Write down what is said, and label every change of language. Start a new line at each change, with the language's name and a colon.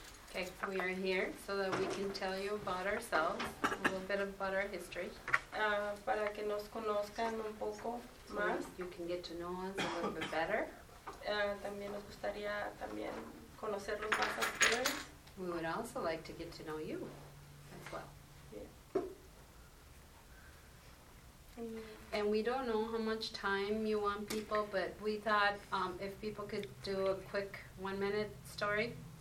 English: Okay, we are here so that we can tell you about ourselves, a little bit about our history.
Spanish: Para que nos conozcan un poco más.
English: You can get to know us a little bit better.
Spanish: También nos gustaría también conocerlos más a ustedes.
English: We would also like to get to know you as well. Yeah. And we don't know how much time you want people, but we thought if people could do a quick 1 minute story.